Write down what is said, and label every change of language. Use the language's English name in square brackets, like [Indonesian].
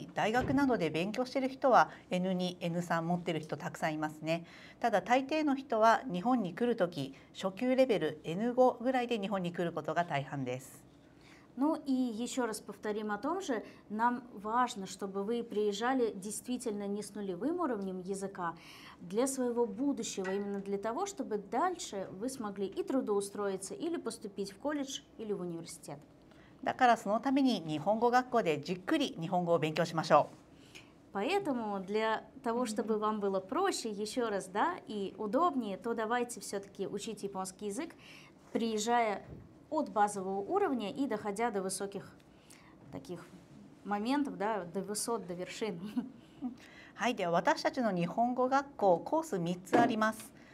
[Japanese] 日本に来る前にロシアでしっかり大学などで勉強している人は N2、 N3持ってる人たくさんいますね。ただ大抵の人は日本に来るとき初級レベル N5 ぐらいで日本に来ることが大半です。 [Russian] Ну и еще раз повторим о том же, нам важно, чтобы вы приезжали действительно не с нулевым уровнем языка, для своего будущего, именно для того, чтобы дальше вы смогли и трудоустроиться, или поступить в колледж, или в университет. Поэтому для того, чтобы вам было проще, еще раз, да, и удобнее, то давайте все-таки учить японский язык, приезжая от базового уровня и доходя до высоких таких моментов, да, до высот, до вершин. [Japanese] はい、では私たちの日本語学校コース3つあります。